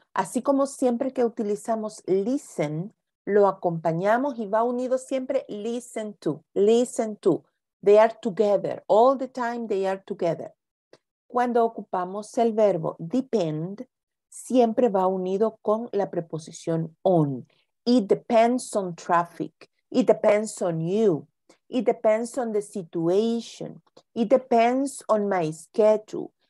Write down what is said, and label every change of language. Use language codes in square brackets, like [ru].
[es] Así como siempre que utilizamos listen, lo acompañamos y va unido siempre listen to, listen to. [en] They are together, all the time they are together. [es] Cuando ocupamos el verbo depend, siempre va unido con la preposición on. [en] It depends on traffic, it depends on you, it depends on the situation, it depends on my schedule.